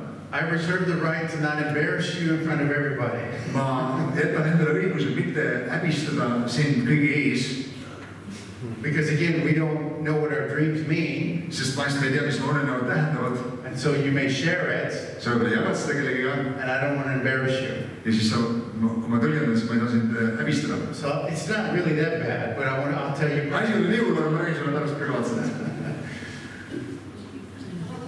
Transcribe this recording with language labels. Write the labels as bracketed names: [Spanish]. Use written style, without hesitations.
[English] I reserve the right to not embarrass you in front of everybody. [Estonian] Ma jätan endale õiguse mitte häbistada sind kõige ees. [English] Because again, we don't know what our dreams mean. [Estonian] Sest ma ei tea, mis ma olen nagu tähendavad. [English] And so you may share it. [Estonian] Sa võib-olla jagad seda kellegi ka. [English] And I don't want to embarrass you. [Estonian] Ja siis kui ma tõlgendan, siis ma ei taas end häbistada. [English] So it's not really that bad, but I'll tell you. [Estonian] Asi on nii hullu, ma räägin sulle pärast privaatselt.